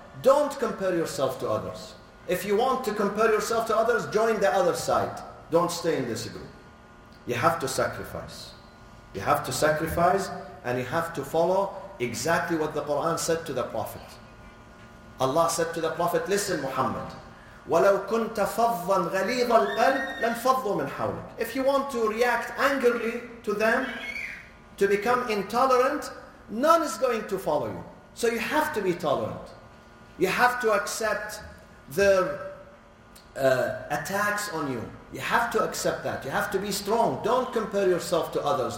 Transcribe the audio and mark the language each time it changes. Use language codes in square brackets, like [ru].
[en] Don't compare yourself to others. If you want to compare yourself to others, join the other side. Don't stay in this group. You have to sacrifice. You have to sacrifice and you have to follow exactly what the Quran said to the Prophet. Allah said to the Prophet, listen Muhammad, [ar] وَلَوْ كُنْتَ فَضًّا غَلِيظَ الْقَلْبِ لَنْفَضُّوا مِنْ حَوْلِكَ. [en] If you want to react angrily to them, to become intolerant, none is going to follow you. So you have to be tolerant. You have to accept their attacks on you. You have to accept that. You have to be strong. Don't compare yourself to others.